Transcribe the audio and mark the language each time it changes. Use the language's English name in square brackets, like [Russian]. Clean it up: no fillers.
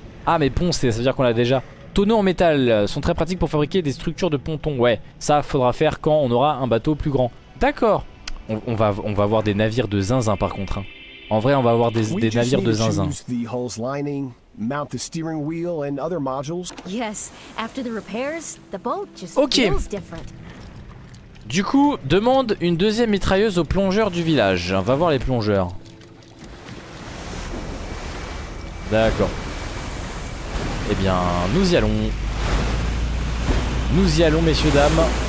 [French] Ah, mais pont, ça veut dire qu'on l'a déjà. Tonneaux en métal sont très pratiques pour fabriquer des structures de pontons. Ouais, ça faudra faire quand on aura un bateau plus grand. D'accord. On va avoir des navires de zinzin par contre. Hein. En vrai, on va avoir des navires de zinzin. [English] The hull's lining, mount the steering wheel and other modules. Yes, after the repairs, the boat just feels different. [French] Du coup, demande une deuxième mitrailleuse aux plongeurs du village. Va voir les plongeurs. D'accord. Eh bien, nous y allons. Nous y allons, messieurs, dames.